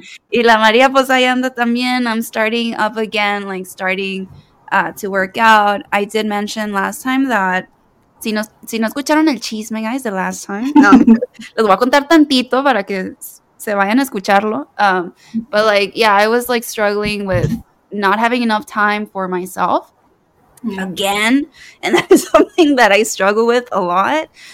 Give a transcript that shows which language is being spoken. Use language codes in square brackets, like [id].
[es] Y la María pues ahí anda también. [en] I'm starting up again, like starting to work out. I did mention last time that [es] si no escucharon el chisme, [en] guys, the last time. [es] No, les voy a contar tantito para que se vayan a escucharlo. [en] But like, yeah, I was like struggling with not having enough time for myself again, and that is something that I struggle with a lot.